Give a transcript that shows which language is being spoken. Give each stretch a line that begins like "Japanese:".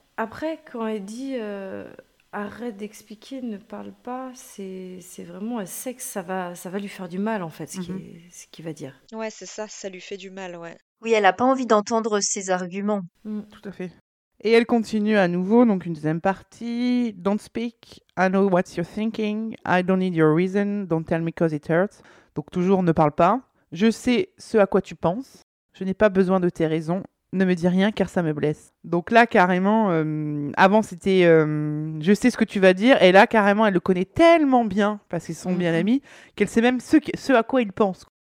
French: Après, quand elle dit « arrête d'expliquer, ne parle pas », c'est vraiment, elle sait que ça va lui faire du mal, en fait, ce qu'il va dire. Ouais, c'est ça, ça lui fait du mal, ouais. Oui, elle a pas envie d'entendre ses arguments. Tout à fait. Et elle continue à nouveau, donc une deuxième partie.
English: Don't speak, I know what you're thinking, I don't need your reason, don't tell me cause it hurts.
French: Donc toujours, ne parle pas. Je sais ce à quoi tu penses, je n'ai pas besoin de tes raisons, ne me dis rien car ça me blesse. Donc là, carrément, avant c'était je sais ce que tu vas dire, et là, carrément, elle le connaît tellement bien, parce qu'ils sont bien amis, qu'elle sait même ce à quoi il pense.